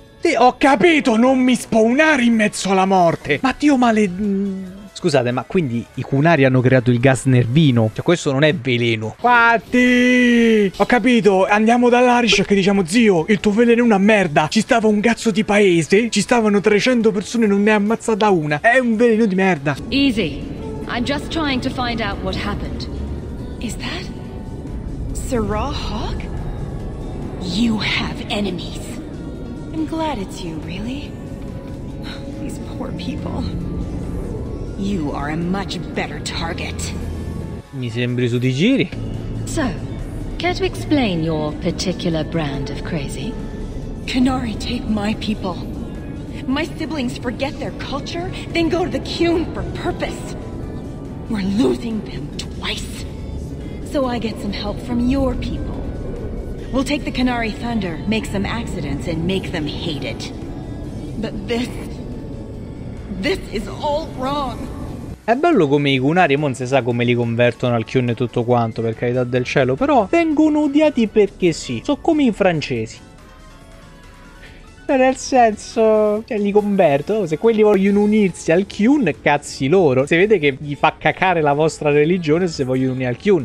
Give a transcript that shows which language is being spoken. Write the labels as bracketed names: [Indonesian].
[Italian] Sì, ho capito! Non mi spawnare in mezzo alla morte! Ma Dio male... Scusate, ma quindi i cunari hanno creato il gas nervino? Cioè, questo non è veleno. Fatti! Ho capito, andiamo dall'Arish che diciamo: zio, il tuo veleno è una merda. Ci stava un cazzo di paese, ci stavano 300 persone e non ne è ammazzata una. È un veleno di merda. [English] Easy. I'm just trying to find out what happened. Is that Sirrah Hawk? You have enemies. I'm glad it's you, really. These poor people. You are a much better target. [Italian] Mi sembri su di giri. [English] So, care to explain your particular brand of crazy? Canari take my people. My siblings forget their culture, then go to the Cune for purpose. We're losing them twice. So I get some help from your people. We'll take the Canari Thunder, make some accidents, and make them hate it. But this... this is all wrong. [Italian] È bello come i cunari, non si sa come li convertono al Cune tutto quanto, per carità del cielo, però vengono odiati perché sì. Sono come i francesi. Nel senso, cioè, li converto. Se quelli vogliono unirsi al Kyun, cazzi loro. Se vede che gli fa cacare la vostra religione, se vogliono unire al Kyun.